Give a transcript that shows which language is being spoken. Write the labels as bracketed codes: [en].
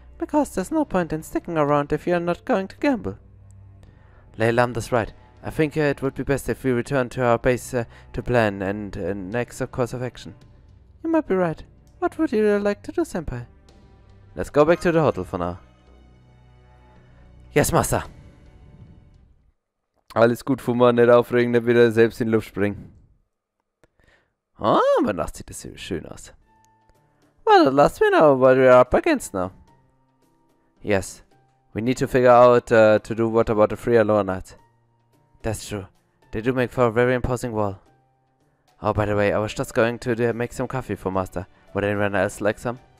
[en] Because there's no point in sticking around if you're not going to gamble. Leilanda's right. I think it would be best if we return to our base to plan and next course of action. You might be right. What would you like to do, Senpai? Let's go back to the hotel for now. Yes, Master. [de] Alles gut, Fuma, nicht aufregen, nicht wieder selbst in die Luft springen. Oh, aber nachts sieht das hier schön aus. [en] Well, at last we know what we are up against now. Yes. We need to figure out to do what about the three alone knights. That's true. They do make for a very imposing wall. Oh, by the way, I was just going to make some coffee for Master. Would anyone else like some?